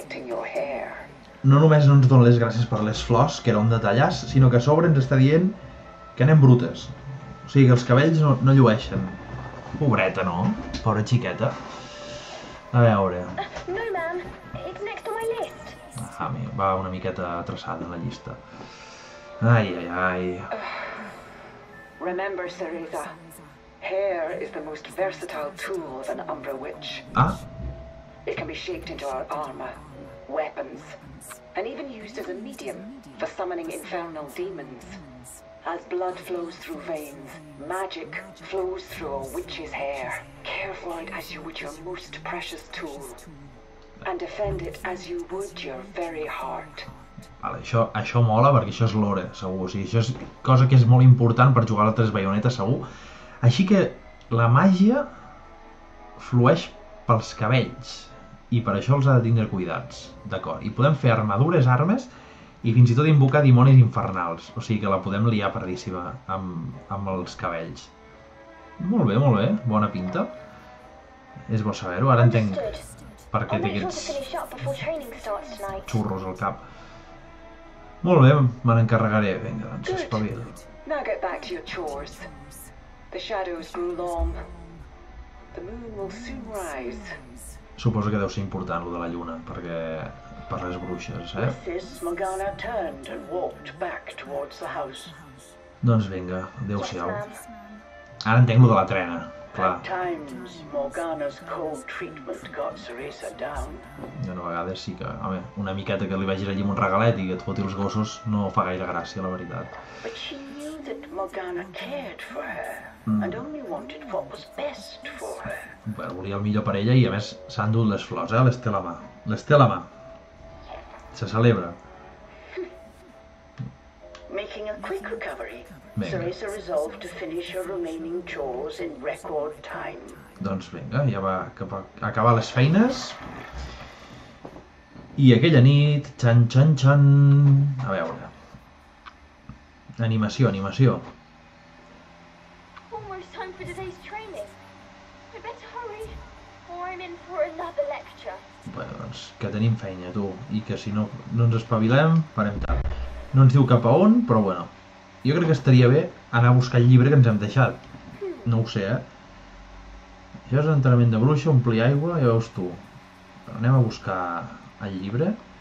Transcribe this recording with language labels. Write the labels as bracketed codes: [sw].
[ca] No només no ens dona les gràcies per les flors, que era un detallàs, sinó que a sobre ens està dient que anem brutes. O sigui, que els cabells no llueixen. Pobreta, no? Pobre xiqueta. A veure... [en] No, ma'am. It's next to my list. [ca] Ah, va una miqueta atreçada en la llista. Ai, ai, ai... [en] Remember, Cereza. Hair is the most versatile tool of an Umbra Witch. Ah? It can be shaped into our armor, weapons, and even used as a medium for summoning infernal demons. As blood flows through veins, magic flows through a witch's hair. Care for it as you would your most precious tool, and defend it as you would your very heart. [ca] Vale, això mola perquè això és lore, segur. O sigui, això és cosa que és molt important per jugar a altres baionetes, segur. Així que la màgia flueix pels cabells i per això els ha de tindre cuidats, d'acord? I podem fer armadures, armes i fins i tot invocar dimonis infernals, o sigui que la podem liar perdíssima amb els cabells. Molt bé, molt bé, bona pinta. És bo saber-ho, ara entenc per què té aquests xurros al cap. Molt bé, me n'encarregaré, vinga, doncs espavil. [en] Now get back to your chores. The shadows grew long. The moon will soon rise. [ca] Suposo que deu ser important lo de la lluna, perquè per les bruixes, eh? [en] With this, Morgana turned and walked back towards the house. [ca] Doncs vinga, adéu-siau. Ara entenc lo de la trena, clar. [en] At times, Morgana's cold treatment got Cereza down. [ca] I una vegada sí que, home, una miqueta que li vagis allí amb un regalet i que et foti els gossos no fa gaire gràcia, la veritat. [en] But she knew that Morgana cared for her and only wanted what was best for her. [ca] Bueno, volia el millor per ella i a més s'ha endut les flors, eh? Les té a la mà. Les té a la mà. Se celebra. [en] Making a quick recovery, Cerisa resolved to finish her remaining chores in record time. [ca] Doncs vinga, ja va cap a acabar les feines. I aquella nit, txan, txan, txan, a veure. Animació, animació. [en] Almost time for today's training. I better hurry, or I'm in for another lecture. [ca] Bueno, doncs que tenim feina, tu, i que si no ens espavilem, farem tard. No ens diu cap a on, però bueno. Jo crec que estaria bé anar a buscar el llibre que ens hem deixat. No ho sé, eh? Això és entrenament de bruixa, omplir aigua, ja veus tu. Però anem a buscar el llibre.